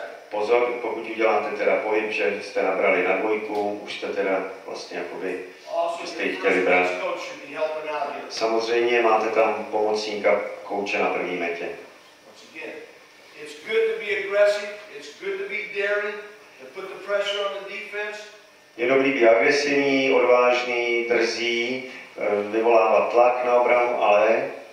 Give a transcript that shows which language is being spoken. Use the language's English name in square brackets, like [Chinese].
[Czech] Pozor, pokud uděláte teda pohyb, že jste nabrali na dvojku, už jste teda vlastně jakoby, že jste ji chtěli brát. Samozřejmě máte tam pomocníka kouče na první metě. [English] It's good to be aggressive, it's good to be daring, to put the pressure on the defense. [Czech] Je dobrý být agresivní, odvážný, drzý, vyvolávat tlak na obranu, ale...